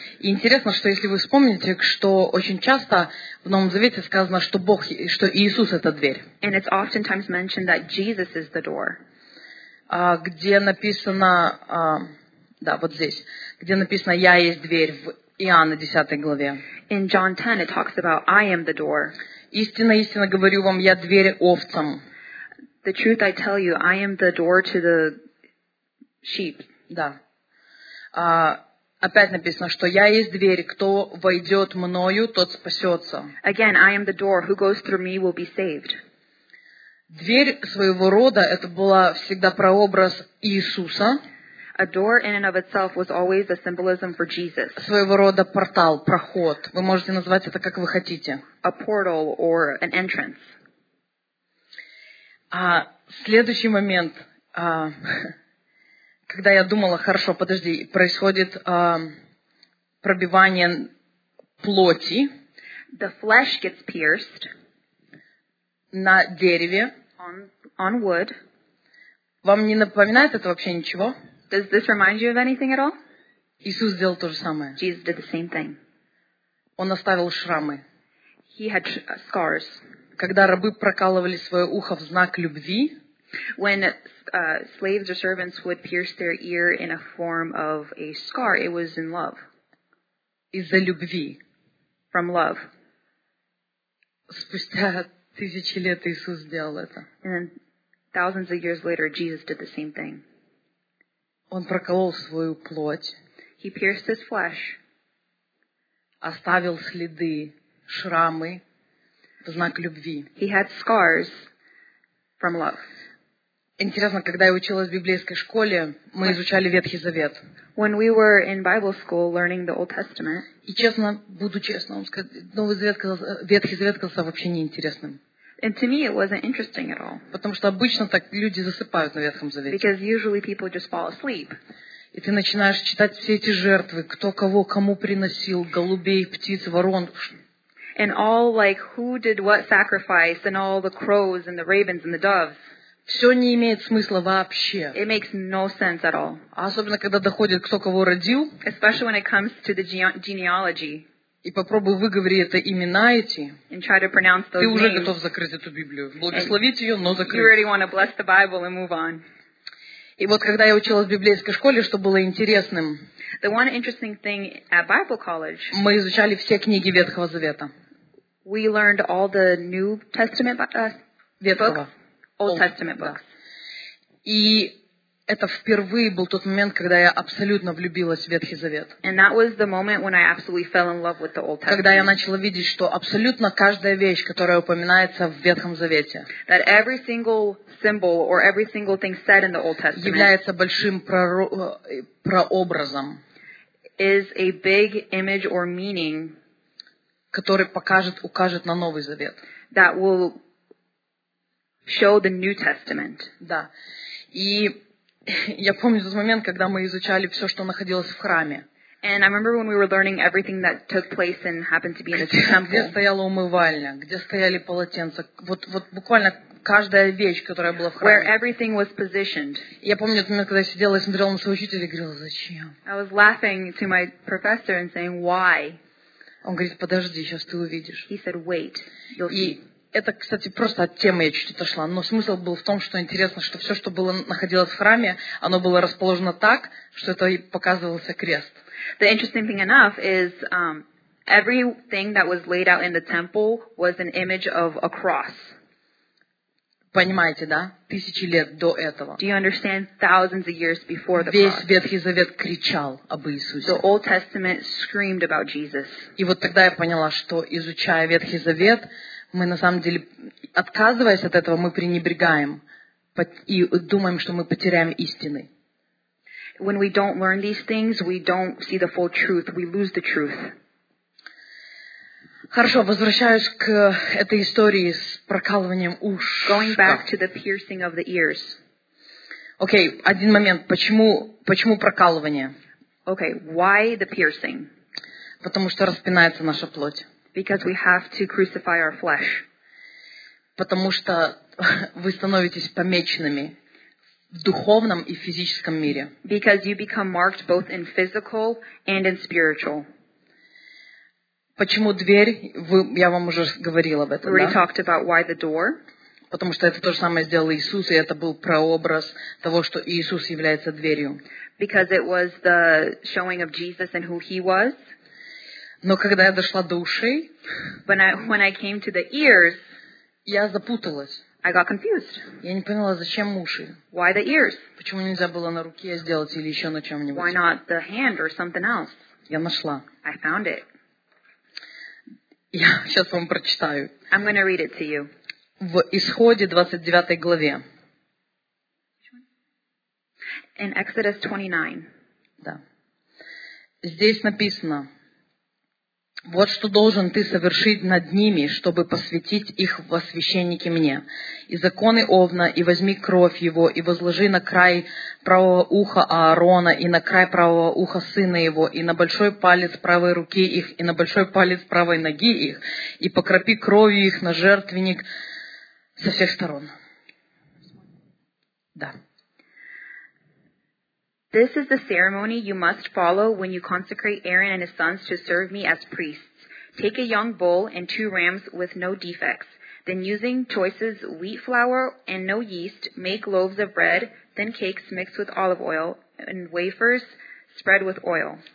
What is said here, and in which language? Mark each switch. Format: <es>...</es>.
<ru>И интересно, что если вы вспомните, что очень часто в Новом Завете сказано, что Бог, что Иисус – это дверь.</ru> <en>And it's oftentimes mentioned that Jesus is the door.</en> <ru>Где написано, да, вот здесь, где написано «Я есть дверь» в Иоанна 10 главе.</ru> <en>In John 10 it talks about I am the door.</en> <ru>Истинно, истинно говорю вам, я дверь овцам.</ru> <en>The truth I tell you, I am the door to the sheep.</en> <ru>Да. Опять написано, что я есть дверь, кто войдет мною, тот спасется.</ru> <en>Again, I am the door, who goes through me will be saved.</en> <ru>Дверь своего рода, это была всегда прообраз Иисуса.</ru> <en>A door in and of itself was always a symbolism for Jesus.</en> <ru>Своего рода портал, проход. Вы можете назвать это как вы хотите.</ru> <en>A portal or an entrance.</en> <ru>Следующий момент, когда я думала, хорошо, подожди, происходит пробивание плоти.</ru> <en>The flesh gets pierced.</en> <ru>На дереве.</ru> <en>On wood.</en> <ru>Вам не напоминает это вообще ничего?</ru> <en>Does this remind you of anything at all?</en> <ru>Иисус сделал то же самое.</ru> <en>Jesus did the same thing.</en> <ru>Он оставил шрамы.</ru> <en>He had scars.</en> <ru>Когда рабы прокалывали свое ухо в знак любви,</ru> <en>when slaves or servants would pierce their ear in a form of a scar, it was in love.</en> <ru>Из-за любви.</ru> <en>From love.</en> <ru>Спустя тысячи лет Иисус сделал это.</ru> <en>And then, thousands of years later, Jesus did the same thing.</en> <ru>Он проколол свою плоть.</ru> <en>He pierced his flesh.</en> <ru>Оставил следы, шрамы в знак любви.</ru> <en>He had scars from love.</en> <ru>Интересно, когда я училась в библейской школе, мы изучали Ветхий Завет.</ru> <en>When we were in Bible school learning the Old Testament.</en> <ru>И честно, буду честно вам сказать, Новый Завет казался, Ветхий Завет казался вообще неинтересным.</ru> <en>And to me, it wasn't interesting at all.</en> <ru>Потому что обычно так люди засыпают на Ветхом Завете.</ru> <en>Because usually people just fall asleep.</en> <ru>И ты начинаешь читать все эти жертвы, кто кого кому приносил, голубей, птиц, ворон.</ru> <en>And all like who did what sacrifice, and all the crows and the ravens and the doves.</en> <ru>Все не имеет смысла вообще.</ru> <en>It makes no sense at all.</en> <ru>Особенно когда доходит, кто кого родил.</ru> <en>Especially when it comes to the genealogy.</en> <ru>И попробуй выговори это имена эти.</ru> <en>And try to pronounce those</en> <ru>ты уже</ru> <en>names.</en> <ru>Готов закрыть эту Библию. Благословить ее, но закрыть.</ru> <en>You already want to bless the Bible and move on.</en> <ru>И вот когда я училась в библейской школе, что было интересным.</ru> <en>The one interesting thing at Bible college,</en> <ru>мы изучали все книги Ветхого Завета.</ru> <en>We learned all the New Testament</en> <ru>Ветхого.</ru> <en>Old Testament books.</en> <ru>Да. И это впервые был тот момент, когда я абсолютно влюбилась в Ветхий Завет.</ru> <en>And that was the moment when I absolutely fell in love with the Old Testament.</en> <ru>Когда я начала видеть, что абсолютно каждая вещь, которая упоминается в Ветхом Завете,</ru> <en>that every single symbol or every single thing said in the Old Testament</en> <ru>является большим прообразом,</ru> <en>is a big image or meaning,</en> <ru>который укажет на Новый Завет,</ru> <en>that will show the New Testament.</en> <ru>Да. И я помню тот момент, когда мы изучали все, что находилось в храме.</ru> <en>And I remember when we were learning everything that took place and happened to be in the temple.</en> <ru>Где стояла умывальня, где стояли полотенца. Вот буквально каждая вещь, которая была в храме.</ru> <en>Where everything was positioned.</en> <ru>Я помню тот момент, когда я сидела и смотрела на своего учителя и говорила, зачем?</ru> <en>I was laughing to my professor and saying, why?</en> <ru>Он говорит, подожди, сейчас ты увидишь.</ru> <en>He said, wait, you'll see.</en> <ru>Это, кстати, просто от темы я чуть отошла. Но смысл был в том, что интересно, что все, что было, находилось в храме, оно было расположено так, что это и показывался крест.</ru> <en>The interesting thing enough is everything that was laid out in the temple was an image of a cross.</en> <ru>Понимаете, да? Тысячи лет до этого.</ru> <en>Do you understand thousands of years before the</en> <ru>Весь</ru> <en>cross?</en> <ru>Весь Ветхий Завет кричал об Иисусе.</ru> <en>The Old Testament screamed about Jesus.</en> <ru>И вот тогда я поняла, что изучая Ветхий Завет, мы на самом деле, отказываясь от этого, мы пренебрегаем и думаем, что мы потеряем истины.</ru> <en>When we don't learn these things, we don't see the full truth. We lose the truth.</en> <ru>Хорошо, возвращаюсь к этой истории с прокалыванием ушка.</ru> <en>Going back to the piercing of the ears.</en> <ru>Окей, один момент. Почему прокалывание?</ru> <en>Okay, why the piercing?</en> <ru>Потому что распинается наша плоть.</ru> <en>Because we have to crucify our flesh.</en> <ru>Потому что вы становитесь помеченными в духовном и физическом мире.</ru> <en>Because you become marked both in physical and in spiritual.</en> <ru>Почему дверь? Я вам уже говорила об этом.</ru> <en>We already talked about why the door.</en> <ru>Потому что это то же самое сделал Иисус, и это был прообраз того, что Иисус является дверью.</ru> <en>Because it was the showing of Jesus and who he was.</en> <ru>Но когда я дошла до ушей,</ru> <en>when I came to the ears,</en> <ru>я запуталась.</ru> <en>I got confused.</en> <ru>Я не поняла, зачем уши.</ru> <en>Why the ears?</en> <ru>Почему нельзя было на руке сделать или еще на чем-нибудь?</ru> <en>Why not the hand or something else?</en> <ru>Я нашла.</ru> <en>I found it.</en> <ru>Я сейчас вам прочитаю.</ru> <en>I'm going to read it to you.</en> <ru>В Исходе 29 главе.</ru> <en>In Exodus 29.</en> <ru>Да. Здесь написано. Вот что должен ты совершить над ними, чтобы посвятить их во священники мне. И законы Овна, и возьми кровь его, и возложи на край правого уха Аарона, и на край правого уха сына его, и на большой палец правой руки их, и на большой палец правой ноги их, и покропи кровью их на жертвенник со всех сторон. Да.</ru> <en>This is the ceremony you must follow when you consecrate Aaron and his sons to serve me as priests. Take a young bull and two rams with no defects. Then using choice wheat flour and no yeast, make loaves of bread, then cakes mixed with olive oil, and wafers spread with oil.</en>